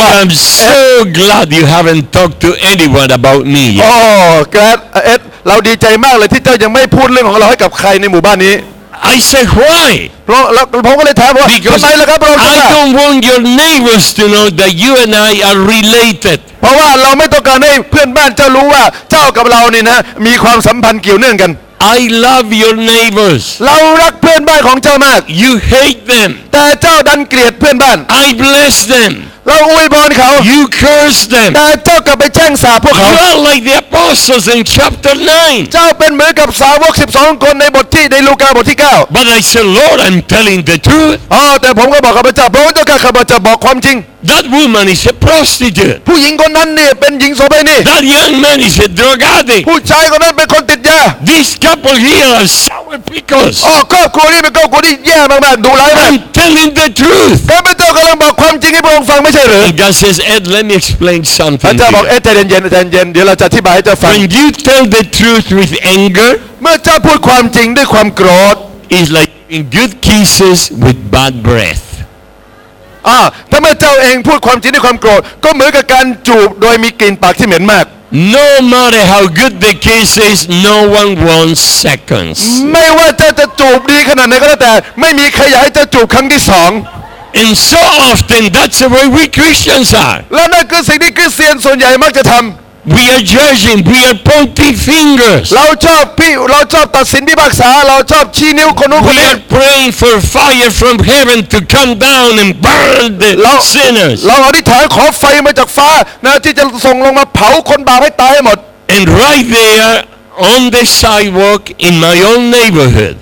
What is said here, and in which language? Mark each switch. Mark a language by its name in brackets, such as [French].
[English] so glad you haven't talked to anyone about me yet. Oh, glad, Ed. [Thai] เราดีใจมากเลยที่เจ้ายังไม่พูดเรื่องของเราให้กับใครในหมู่บ้านนี้ [English] I say why? [Thai] ผมก็เลยถามว่าทำไมล่ะครับเราถึง [English] I don't want your neighbors to know that you and I are related. [Thai] เพราะว่าเราไม่ต้องการให้เพื่อนบ้านเจ้ารู้ว่าเจ้ากับเรานี่นะมีความสัมพันธ์เกี่ยวเนื่องกัน [English] I love your neighbors. [Thai] เรารักเพื่อนบ้านของเจ้ามาก [English] You hate them. [Thai] แต่เจ้าดันเกลียดเพื่อนบ้าน [English] I bless them. [Thai] เราอวยพรเขา [English] You curse them. [Thai] แต่เจ้ากลับไปแช่งสาปพวกเขา [English] You are like the apostles in chapter 9. [Thai] เจ้าเป็นเหมือนกับสาวก12คนในบทที่ในลูกาบทที่9 [English] But I said, Lord, I'm telling the truth. [Thai] แต่ผมก็บอกกับพระเจ้าพระองค์เจ้าข้าพระเจ้าบอกความจริง [English] That woman is a prostitute. [Thai] ผู้หญิงคนนั้นเนี่ยเป็นหญิงโสเภณี [English] That young man is a drug addict. [Thai] ผู้ชายคนนั้นเป็นคนติดยา [English] This couple here are sour pickles. [Thai] ครอบครัวนี้เป็นครอบครัวที่แย่มากๆดูร้ายมาก [English] I'm telling the truth. [Thai] ข้าพเจ้ากำลังบอกความจริงให้พระองค์ฟังไม่ใช่หรือ [English] God says, Ed, let me explain something. [Thai] พระเจ้าบอกเอ็ดเย็นเดี๋ยวเราจะอธิบายให้เจ้าฟัง [English] When you tell the truth with anger, [Thai] เมื่อเจ้าพูดความจริงด้วยความโกรธ [English] is like giving good kisses with bad breath. [Thai] ถ้าเมื่อเจ้าเองพูดความจริงด้วยความโกรธก็เหมือนกับการจูบโดยมีกลิ่นปากที่เหม็นมาก [English] No matter how good the kiss is, no one wants seconds. [Thai] ไม่ว่าเจ้าจะจูบดีขนาดไหนก็แล้วแต่ไม่มีใครอยากให้เจ้าจูบครั้งที่สอง [English] And so often that's the way we Christians are. [Thai] และนั่นคือสิ่งที่คริสเตียนส่วนใหญ่มักจะทำ [English] We are judging. We are pointing fingers. [Thai] เราชอบตัดสินพิพากษาเราชอบชี้นิ้วคนนู้นคนนี้ [English] We are praying for fire from heaven to come down and burn the sinners. [Thai] เราอธิษฐานขอไฟมาจากฟ้านะที่จะส่งลงมาเผาคนบาปให้ตายให้หมด [English] And right there on the sidewalk in my own neighborhood.